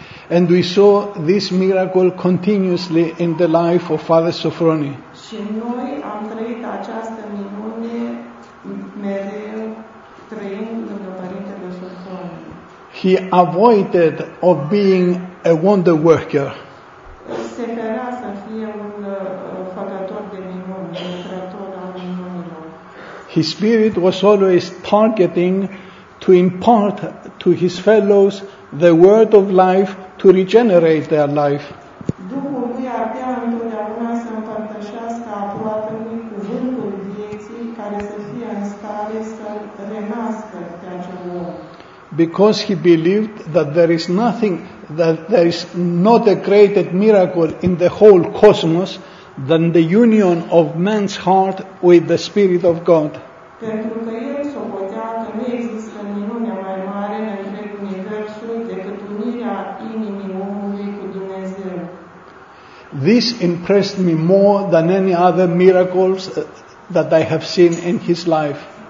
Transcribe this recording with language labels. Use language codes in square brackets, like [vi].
[en] And we saw this miracle continuously in the life of Father Sofroni. [ro] Și noi am trăit această minune mereu trăind lângă Părintele Sofroni. [en] He avoided of being a wonder worker. [ro] Se ferea să fie un făcător de minuni, un lucrător al minunilor. [en] His spirit was always targeting to impart to his fellows the word of life to regenerate their life. [ro] Duhul lui ardea întotdeauna să împărtășească aproape lui cuvântul vieții care să fie în stare să renască pe acel om. [en] Because he believed that there is nothing, that there is not a greater miracle in the whole cosmos than the union of man's heart with the Spirit of God. [ro] Pentru că el socotea că nu există minune mai mare în întreg universul decât unirea inimii omului cu Dumnezeu. [en] This impressed me more than any other miracles that I have seen in his life.